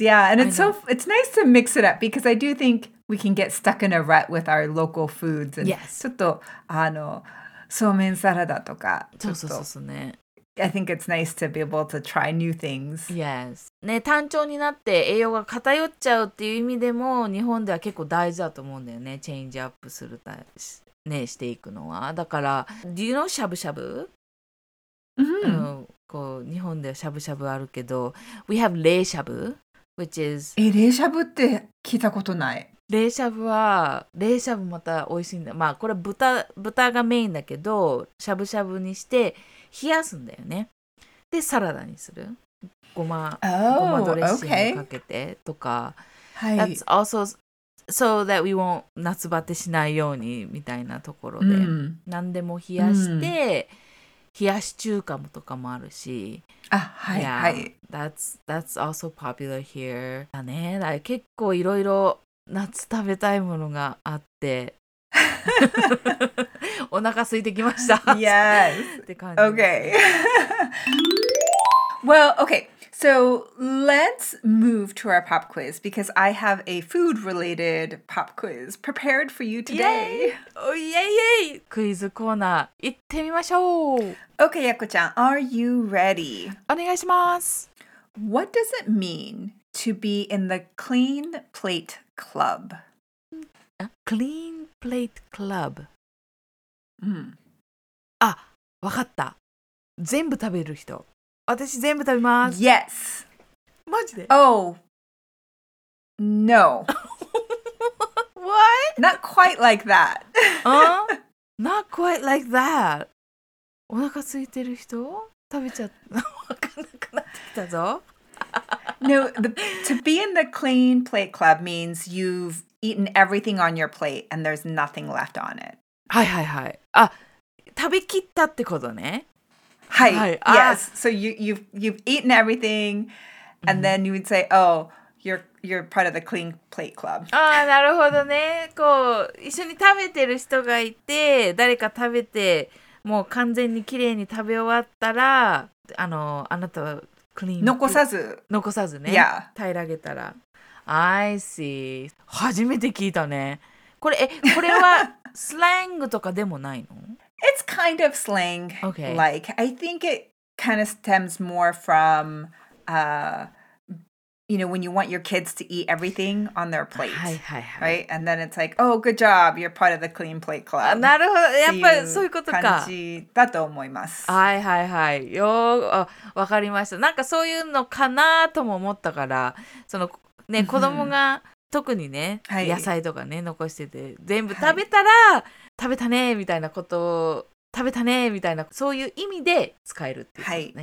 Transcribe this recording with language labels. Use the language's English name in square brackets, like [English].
[English] Yeah, and it's nice to mix it up because I do think we can get stuck in a rut with our local foods. And yes. [Japanese] ちょっとそうめんサラダとか。そうね。 [English] I think it's nice to be able to try new things. Yes. [Japanese] ね、単調になって栄養が偏っちゃうっていう意味でも日本では結構大事だと思うんだよね。チェンジアップするたし、ね、していくのは。だから、 [English] Do you know [Japanese] しゃぶしゃぶ？こう日本ではしゃぶしゃぶあるけど、 [English] we have [Japanese] 冷しゃぶ、 [English] which is [Japanese] え冷しゃぶって聞いたことない。冷しゃぶは冷しゃぶまた美味しいんだ。まあこれ豚がメインだけど、しゃぶしゃぶにして冷やすんだよね。でサラダにする。ごまドレッシングかけてとか。はい。 [English] That's also so that we won't [Japanese] 夏バテしないようにみたいなところで、何でも冷やして。冷やし中華もとかもあるし、あ、はい、yeah, はい、 [English] That's also popular here だね。 [Japanese] だ結構いろいろ夏食べたいものがあってお腹空いてきました。 [English] Yes. [Japanese] って感じ。 [English] Okay. Well, okay. So let's move to our pop quiz because I have a food-related pop quiz prepared for you today. Yay! Oh, yay, yay! [Japanese] クイズコーナー行ってみましょう。 [English] Okay, Yako-chan, are you ready? [Japanese] お願いします。 [English] What does it mean to be in the Clean Plate Club? Clean Plate Club. [Japanese] あ、わかった。全部食べる人。私全部食べます。 [English] Yes. [Japanese] マジで？ [English] Oh. No. What? Not quite like that. Not quite like that. [Japanese] お腹空いてる人？食べちゃった。わかんなくなってきたぞ。 [English] No, to be in the clean plate club means you've eaten everything on your plate and there's nothing left on it. [Japanese] はいはいはい。あ、食べきったってことね。はい、はい、Yes. [English] So you've eaten everything, and then you would say, oh, you're part of the clean plate club. [Japanese] ああ、なるほどね。こう一緒に食べてる人がいて、誰か食べてもう完全に綺麗に食べ終わったら、あなたはクリーン残さずね。 [English] Yeah. [Japanese] 平らげたら。 [English] I see. [Japanese] 初めて聞いたね。これこれはスラングとかでもないの？ [English] It's kind of slang-like. Okay. I think it kind of stems more from, you know, when you want your kids to eat everything on their plate. [Japanese] はいはいはい。 [English] Right? And then it's like, oh, good job, you're part of the clean plate club. [Japanese] あ、なるほど。やっぱりそういうことか。っていう感じだと思います。はいはいはい。よー、わかりました。なんかそういうのかなとも思ったから、そのね、子供が特にね、はい、野菜とかね、残してて、全部食べたら、はい食べたねみたいなことを食べたねみたいなそういう意味で使えるっていうね、